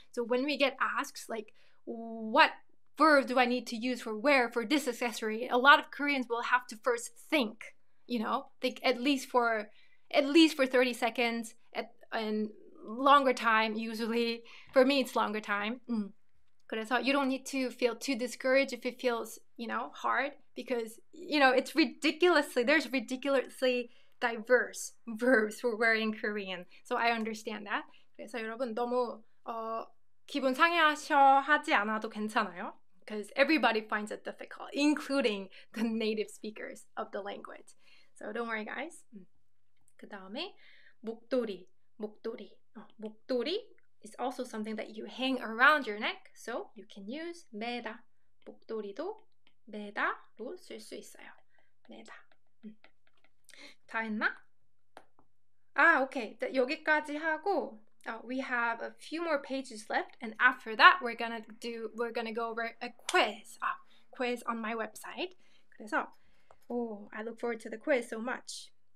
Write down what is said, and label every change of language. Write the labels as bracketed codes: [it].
[en] So when we get asked, like, what verb do I need to use for where for this accessory, a lot of Koreans will have to first think, you know, think at least for 30 seconds and longer time, usually. For me, it's longer time. [ko] 그래서 [en] you don't need to feel too discouraged if it feels, you know, hard, because, you know, it's ridiculously diverse verbs for wearing Korean. So I understand that. [ko] 그래서 여러분 너무 기분 상해하셔 하지 않아도 괜찮아요. [en] Because everybody finds it difficult, including the native speakers of the language. So don't worry, guys. [ko] 그 다음에 목도리. [en] 목도리 is also something that you hang around your neck, so you can use 매다. [ko] 목도리도 매다로 쓸 수 있어요. 매다. 다 했나? 아, [en] okay. [ko] 여기까지 하고 [en] we have a few more pages left, and after that, we're gonna go over a quiz. Ah, quiz on my website. [ko] 그래서, [en] oh, I look forward to the quiz so much.